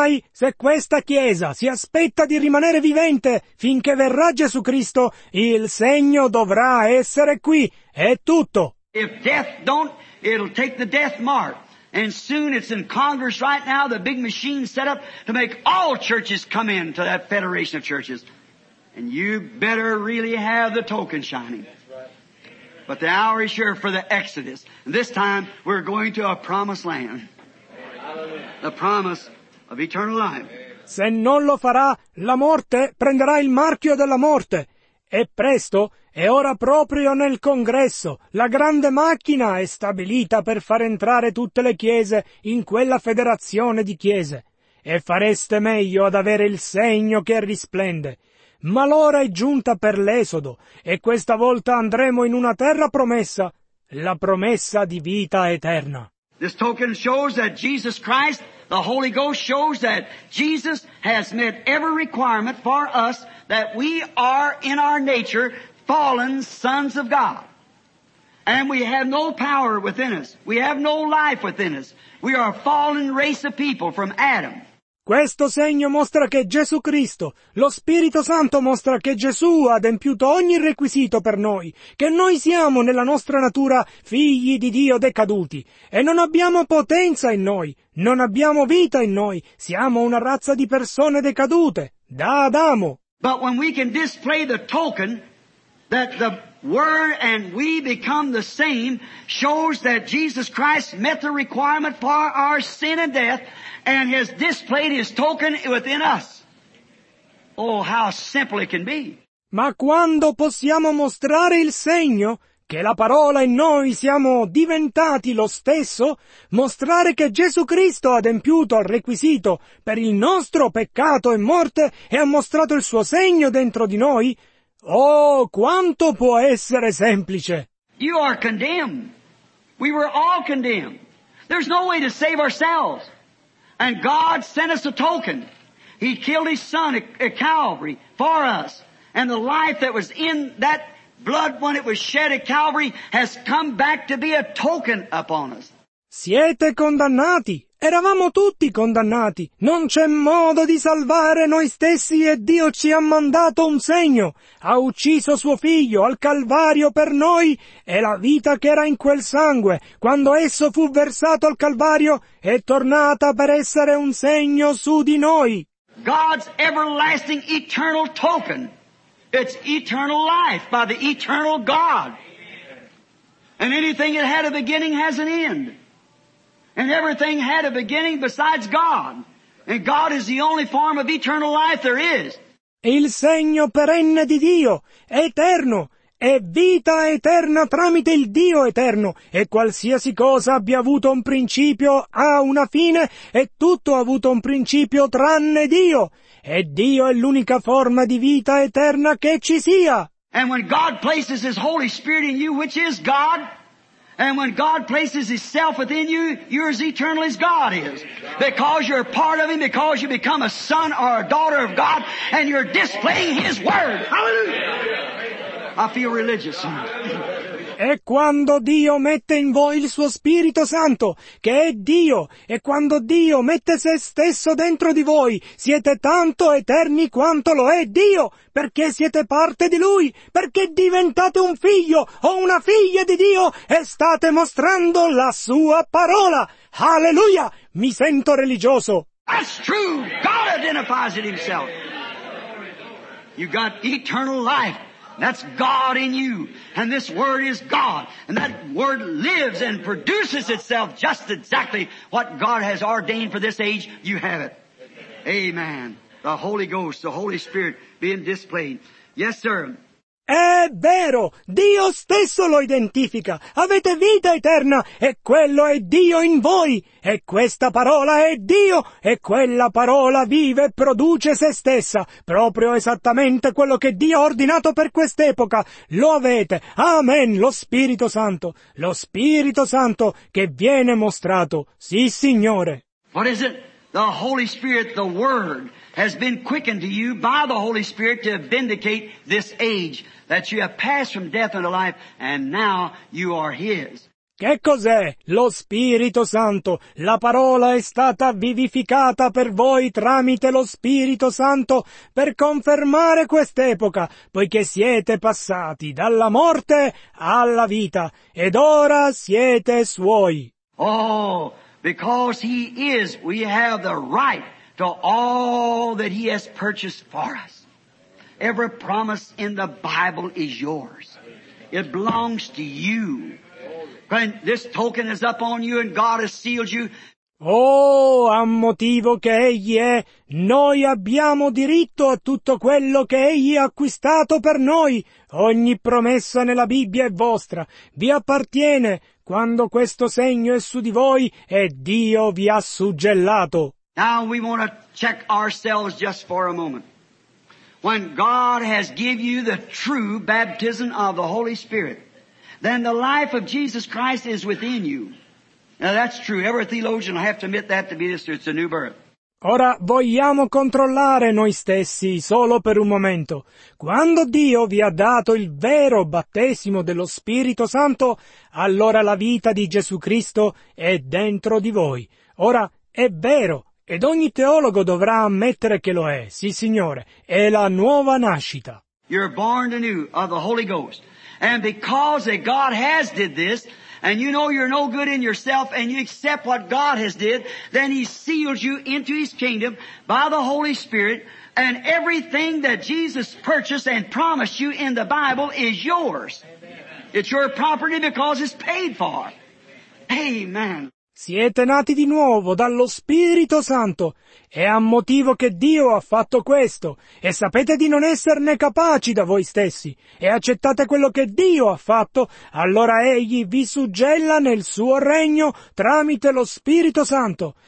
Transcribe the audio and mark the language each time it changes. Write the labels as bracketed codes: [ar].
[it] Se questa Chiesa si aspetta di rimanere vivente finché verrà Gesù Cristo, il segno dovrà essere qui. È tutto. [en] If death don't, it'll take the death mark. And soon it's in Congress right now, the big machine set up to make all churches come in to that federation of churches. And you better really have the token shining. But the hour is here for the Exodus. And this time, we're going to a promised land. The promise of eternal life. [it] Se non lo farà, la morte prenderà il marchio della morte. E presto, e ora proprio nel congresso, la grande macchina è stabilita per far entrare tutte le chiese in quella federazione di chiese. E fareste meglio ad avere il segno che risplende. Ma l'ora è giunta per l'esodo, e questa volta andremo in una terra promessa, la promessa di vita eterna. [en] This token shows that Jesus Christ, the Holy Ghost shows that Jesus has met every requirement for us, that we are in our nature fallen sons of God. And we have no power within us. We have no life within us. We are a fallen race of people from Adam. [it] Questo segno mostra che Gesù Cristo, lo Spirito Santo mostra che Gesù ha adempiuto ogni requisito per noi, che noi siamo nella nostra natura figli di Dio decaduti, e non abbiamo potenza in noi, non abbiamo vita in noi, siamo una razza di persone decadute, da Adamo. [en] But when we can display the token that the Word and we become the same shows that Jesus Christ met the requirement for our sin and death and has displayed his token within us. Oh, how simple it can be. [it] Ma quando possiamo mostrare il segno che la parola e noi siamo diventati lo stesso, mostrare che Gesù Cristo ha adempiuto il requisito per il nostro peccato e morte e ha mostrato il suo segno dentro di noi? Oh, quanto può essere semplice! [en] You are condemned. We were all condemned. There's no way to save ourselves. And God sent us a token. He killed his son at Calvary for us. And the life that was in that blood when it was shed at Calvary has come back to be a token upon us. [it] Siete condannati! Eravamo tutti condannati. Non c'è modo di salvare noi stessi e Dio ci ha mandato un segno. Ha ucciso suo figlio al Calvario per noi e la vita che era in quel sangue, quando esso fu versato al Calvario, è tornata per essere un segno su di noi. [en] God's everlasting eternal token. It's eternal life by the eternal God. And anything that had a beginning has an end. And everything had a beginning besides God. And God is the only form of eternal life there is. [it] Il segno perenne di Dio, eterno, è vita eterna tramite il Dio eterno. E qualsiasi cosa abbia avuto un principio ha una fine, e tutto ha avuto un principio tranne Dio. E Dio è l'unica forma di vita eterna che ci sia. [en] And when God places His Holy Spirit in you, which is God, and when God places His self within you, you're as eternal as God is. Because you're part of Him, because you become a son or a daughter of God, and you're displaying His Word. Hallelujah! I feel religious. [it] E quando Dio mette in voi il suo Spirito Santo, che è Dio, e quando Dio mette se stesso dentro di voi, siete tanto eterni quanto lo è Dio, perché siete parte di Lui, perché diventate un figlio o una figlia di Dio e state mostrando la Sua parola. Alleluia! Mi sento religioso. [en] That's true. God identifies it Himself. You got eternal life. That's God in you, and this word is God, and that word lives and produces itself just exactly what God has ordained for this age. You have it. Amen. The Holy Ghost, the Holy Spirit being displayed. Yes, sir. [it] È vero, Dio stesso lo identifica. Avete vita eterna, e quello è Dio in voi. E questa parola è Dio, e quella parola vive e produce se stessa. Proprio esattamente quello che Dio ha ordinato per quest'epoca. Lo avete. Amen, lo Spirito Santo. Lo Spirito Santo che viene mostrato. Sì, Signore. [en] What is it? The Holy Spirit, the Word, has been quickened to you by the Holy Spirit to vindicate this age, that you have passed from death unto life, and now you are His. [it] Che cos'è? Lo Spirito Santo. La parola è stata vivificata per voi tramite lo Spirito Santo per confermare quest'epoca, poiché siete passati dalla morte alla vita, ed ora siete Suoi. [en] Oh, because He is, we have the right to all that He has purchased for us. Every promise in the Bible is yours. It belongs to you. When this token is up on you and God has sealed you. [it] Oh, a motivo che egli è, noi abbiamo diritto a tutto quello che egli ha acquistato per noi. Ogni promessa nella Bibbia è vostra, vi appartiene. Quando questo segno è su di voi e Dio vi ha suggellato. [en] Now we want to check ourselves just for a moment. When God has given you the true baptism of the Holy Spirit, then the life of Jesus Christ is within you. Now that's true. Every theologian will have to admit that to be this. It's a new birth. [it] Ora vogliamo controllare noi stessi solo per un momento. Quando Dio vi ha dato il vero battesimo dello Spirito Santo, allora la vita di Gesù Cristo è dentro di voi. Ora è vero, ed ogni teologo dovrà ammettere che lo è. Sì, Signore, è la nuova nascita. [en] You're born anew of the Holy Ghost. And because God has did this, and you know you're no good in yourself, and you accept what God has did, then He seals you into His kingdom by the Holy Spirit, and everything that Jesus purchased and promised you in the Bible is yours. Amen. It's your property because it's paid for. Amen. [it] Siete nati di nuovo dallo Spirito Santo. È a motivo che Dio ha fatto questo. E sapete di non esserne capaci da voi stessi. E accettate quello che Dio ha fatto, allora Egli vi suggella nel suo regno tramite lo Spirito Santo.